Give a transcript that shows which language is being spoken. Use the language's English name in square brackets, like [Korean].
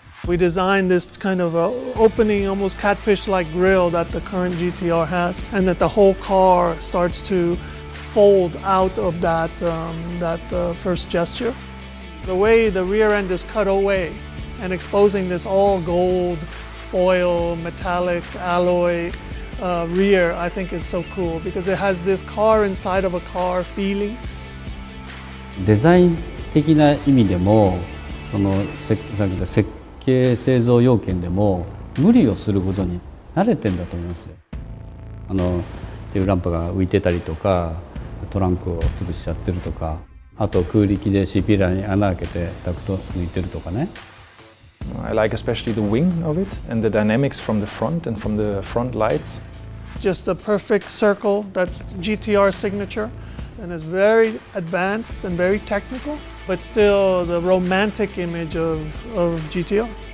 [English] We designed this kind of opening, almost catfish-like grille that the current GTR has, and that the whole car starts to fold out of that, first gesture. The way the rear end is cut away and exposing this all gold, foil, metallic, alloy rear, I think is so cool because it has this car inside of a car feeling. [Japanese] デザイン的な意味でもその設計製造要件でも無理をすることに慣れてんだと思いますよ。あのテールランプが浮いてたりとかトランクを潰しちゃってるとかあと空力でCPラーに穴開けてダクト抜いてるとかね。 [English] I like especially the wing of it and the dynamics from the front and from the front lights. Just the perfect circle, that's GTR signature. And it's very advanced and very technical, but still the romantic image of GTR.